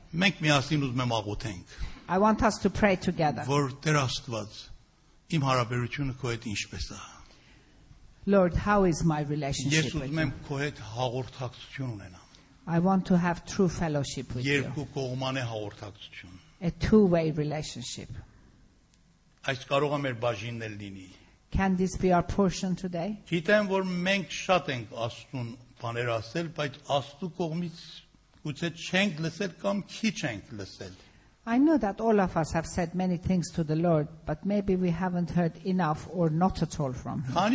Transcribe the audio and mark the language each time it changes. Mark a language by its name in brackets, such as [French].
[Armenian] Մենք միասին ուզում ենք աղոթենք. [English] I want us to pray together. [Armenian] Որ Տեր Աստված, իմ հարաբերությունը քո հետ ինչպես է? [English] Lord, how is my relationship with you? [Armenian] Ես ուզում եմ քո հետ հաղորդակցություն ունենալ. [English] I want to have true fellowship with you. [Armenian] Երկու կողմանե հաղորդակցություն. [English] A two-way relationship. [Armenian] Այս կարող է մեր բաժինն էլ լինի. [English] Can this be our portion today? [Armenian] Գիտեմ, որ մենք շատ ենք Աստուն բաներ ասել, բայց Աստու կողմից գուցե չենք լսել կամ քիչ ենք լսել. [English] I know that all of us have said many things to the Lord, but maybe we haven't heard enough or not at all from Him.